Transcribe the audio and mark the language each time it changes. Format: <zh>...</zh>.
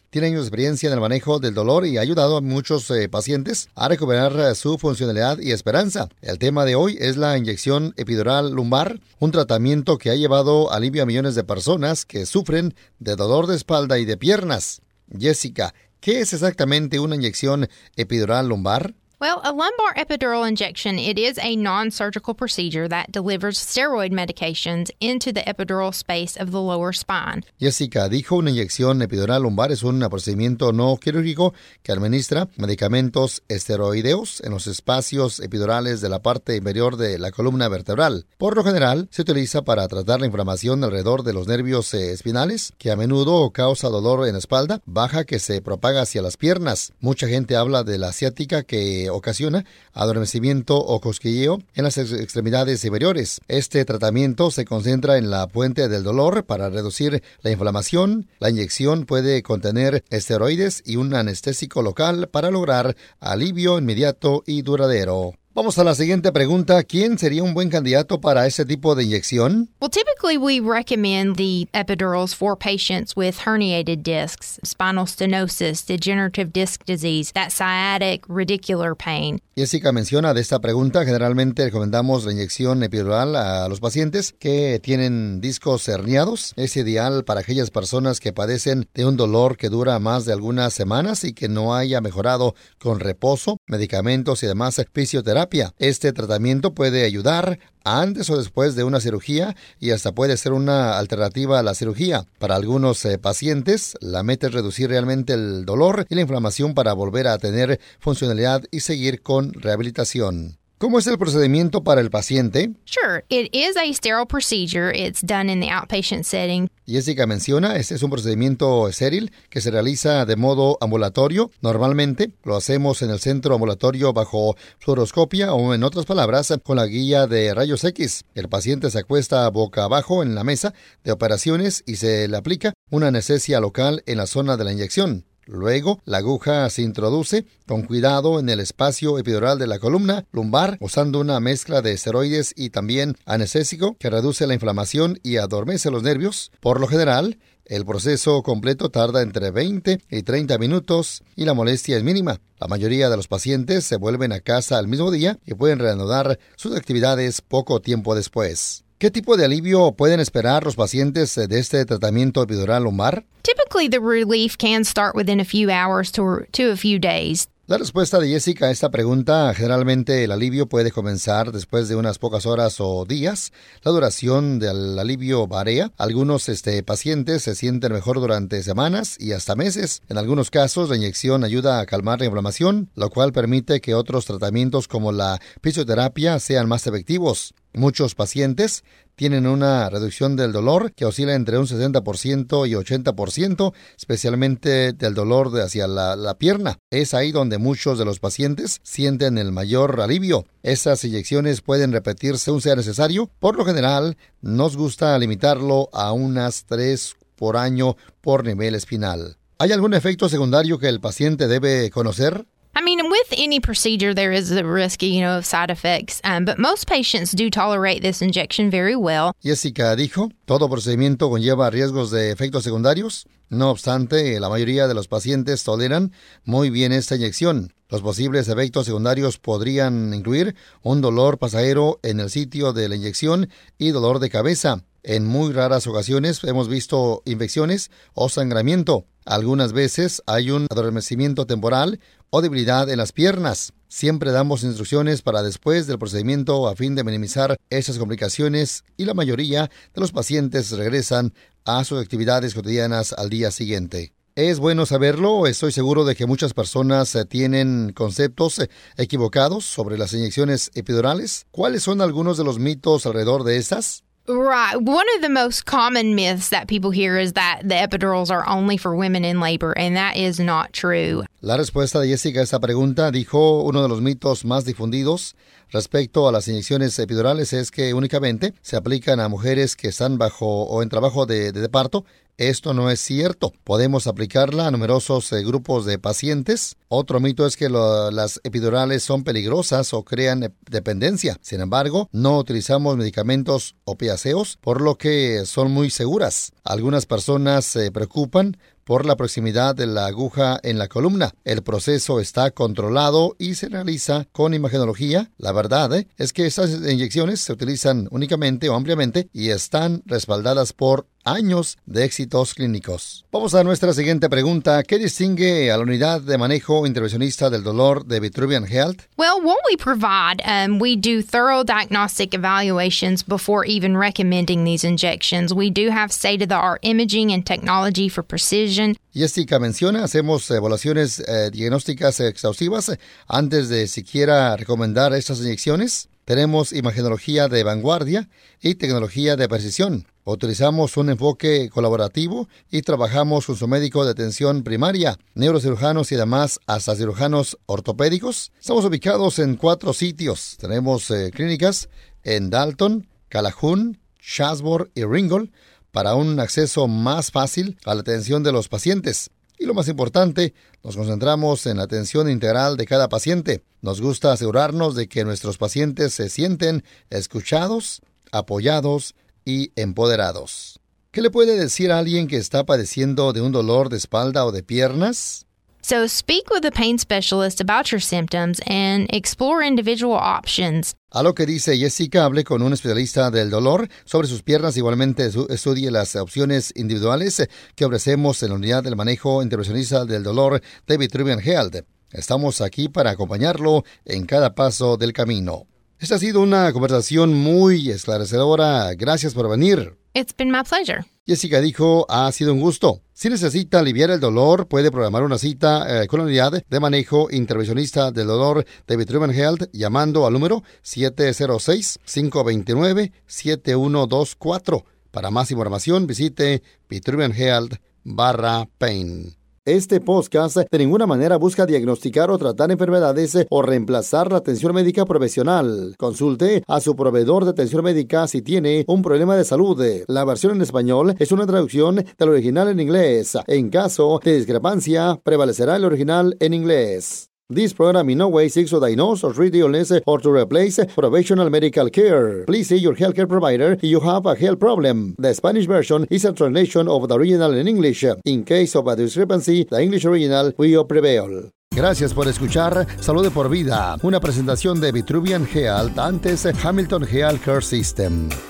<es>Tiene años de experiencia en el manejo del dolor y ha ayudado a muchos pacientes a recuperar su funcionalidad y esperanza. El tema de hoy es la inyección epidural lumbar, un tratamiento que ha llevado alivio a millones de personas que sufren de dolor de espalda y de piernas. Jessica, ¿qué es exactamente una inyección epidural lumbar?</es> <en>Well, a lumbar epidural injection, it is a non-surgical procedure that delivers steroid medications into the epidural space of the lower spine.</en> <es>Jessica dijo una inyección epidural lumbar es un procedimiento no quirúrgico que administra medicamentos esteroideos en los espacios epidurales de la parte inferior de la columna vertebral. Por lo general, se utiliza para tratar la inflamación alrededor de los nervios espinales, que a menudo causa dolor en la espalda baja que se propaga hacia las piernas. Mucha gente habla de la ciática que ocasiona adormecimiento o cosquilleo en las extremidades inferiores. Este tratamiento se concentra en la fuente del dolor para reducir la inflamación. La inyección puede contener esteroides y un anestésico local para lograr alivio inmediato y duradero. Vamos a la siguiente pregunta. ¿Quién sería un buen candidato para ese tipo de inyección?</es> <en>Well, typically we recommend the epidurals for patients with herniated discs, spinal stenosis, degenerative disc disease, that sciatic radicular pain.</en> <es>Jessica menciona de esta pregunta, generalmente recomendamos la inyección epidural a los pacientes que tienen discos herniados. Es ideal para aquellas personas que padecen de un dolor que dura más de algunas semanas y que no haya mejorado con reposo, medicamentos y demás fisioterapia. Este tratamiento puede ayudar antes o después de una cirugía y hasta puede ser una alternativa a la cirugía. Para algunos pacientes, la meta es reducir realmente el dolor y la inflamación para volver a tener funcionalidad y seguir con rehabilitación. ¿Cómo es el procedimiento para el paciente?</es> <en>Sure, it is a sterile procedure. It's done in the outpatient setting.</en> <es>Jessica menciona, este es un procedimiento estéril que se realiza de modo ambulatorio. Normalmente lo hacemos en el centro ambulatorio bajo fluoroscopia o, en otras palabras, con la guía de rayos X. El paciente se acuesta boca abajo en la mesa de operaciones y se le aplica una anestesia local en la zona de la inyección. Luego, la aguja se introduce con cuidado en el espacio epidural de la columna lumbar usando una mezcla de esteroides y también anestésico que reduce la inflamación y adormece los nervios. Por lo general, el proceso completo tarda entre 20 y 30 minutos y la molestia es mínima. La mayoría de los pacientes se vuelven a casa al mismo día y pueden reanudar sus actividades poco tiempo después. ¿Qué tipo de alivio pueden esperar los pacientes de este tratamiento epidural lumbar?</es> <en>Typically, the relief can start within a few hours to a few days.</en> <es>La respuesta de Jessica a esta pregunta, generalmente el alivio puede comenzar después de unas pocas horas o días. La duración del alivio varía. Algunos pacientes se sienten mejor durante semanas y hasta meses. En algunos casos, la inyección ayuda a calmar la inflamación, lo cual permite que otros tratamientos como la fisioterapia sean más efectivos. Muchos pacientes tienen una reducción del dolor que oscila entre un 60% y 80%, especialmente del dolor de hacia la pierna. Es ahí donde muchos de los pacientes sienten el mayor alivio. Esas inyecciones pueden repetirse según sea necesario. Por lo general, nos gusta limitarlo a unas 3 por año por nivel espinal. ¿Hay algún efecto secundario que el paciente debe conocer?</es> <en>I mean, with any procedure, there is a risk, you know, of side effects, but most patients do tolerate this injection very well.</en> <es>Jessica dijo, todo procedimiento conlleva riesgos de efectos secundarios. No obstante, la mayoría de los pacientes toleran muy bien esta inyección. Los posibles efectos secundarios podrían incluir un dolor pasajero en el sitio de la inyección y dolor de cabeza. En muy raras ocasiones hemos visto infecciones o sangramiento. Algunas veces hay un adormecimiento temporal o debilidad en las piernas. Siempre damos instrucciones para después del procedimiento a fin de minimizar esas complicaciones y la mayoría de los pacientes regresan a sus actividades cotidianas al día siguiente. Es bueno saberlo. Estoy seguro de que muchas personas tienen conceptos equivocados sobre las inyecciones epidurales. ¿Cuáles son algunos de los mitos alrededor de esas?</es> <en>Right. One of the most common myths that people hear is that the epidurals are only for women in labor, and that is not true.</en> <es>La respuesta de Jessica a esta pregunta dijo uno de los mitos más difundidos respecto a las inyecciones epidurales es que únicamente se aplican a mujeres que están bajo o en trabajo de parto. Esto no es cierto. Podemos aplicarla a numerosos grupos de pacientes. Otro mito es que las epidurales son peligrosas o crean dependencia. Sin embargo, no utilizamos medicamentos opiáceos, por lo que son muy seguras. Algunas personas se preocupan por la proximidad de la aguja en la columna. El proceso está controlado y se realiza con imagenología. La verdad es que estas inyecciones se utilizan únicamente o ampliamente y están respaldadas por años de éxitos clínicos. Vamos a nuestra siguiente pregunta. ¿Qué distingue a la unidad de manejo intervencionista del dolor de Vitruvian Health?</es> <en>Well, what we provide, we do thorough diagnostic evaluations before even recommending these injections. We do have state-of-the-art imaging and technology for precision.</en> <es>Jessica menciona, hacemos evaluaciones diagnósticas exhaustivas antes de siquiera recomendar estas inyecciones. Tenemos imagenología de vanguardia y tecnología de precisión. Utilizamos un enfoque colaborativo y trabajamos con su médico de atención primaria, neurocirujanos y demás hasta cirujanos ortopédicos. Estamos ubicados en 4 sitios. Tenemos clínicas en Dalton, Calhoun, Shasbor y Ringgold para un acceso más fácil a la atención de los pacientes. Y lo más importante, nos concentramos en la atención integral de cada paciente. Nos gusta asegurarnos de que nuestros pacientes se sienten escuchados, apoyados y empoderados. ¿Qué le puede decir a alguien que está padeciendo de un dolor de espalda o de piernas?</es> <en>So speak with a pain specialist about your symptoms and explore individual options.</en> <es>A lo que dice Jessica, hable con un especialista del dolor sobre sus piernas. Igualmente, estudie las opciones individuales que ofrecemos en la unidad del manejo intervencionista del dolor de Vitruvian Health. Estamos aquí para acompañarlo en cada paso del camino. Esta ha sido una conversación muy esclarecedora. Gracias por venir.</es> <en>It's been my pleasure.</en> <es>Jessica dijo, ha sido un gusto. Si necesita aliviar el dolor, puede programar una cita con la unidad de manejo intervencionista del dolor de Vitruvian Health llamando al número 706-529-7124. Para más información, visite vitruvianhealth.com/pain. Este podcast de ninguna manera busca diagnosticar o tratar enfermedades o reemplazar la atención médica profesional. Consulte a su proveedor de atención médica si tiene un problema de salud. La versión en español es una traducción del original en inglés. En caso de discrepancia, prevalecerá el original en inglés.</es> <en>This program in no way seeks to diagnose or treat illness or to replace professional medical care. Please see your healthcare provider if you have a health problem. The Spanish version is a translation of the original in English. In case of a discrepancy, the English original will prevail.</en> <es>Gracias por escuchar Salud de por Vida, una presentación de Vitruvian Health antes Hamilton Healthcare System.</es>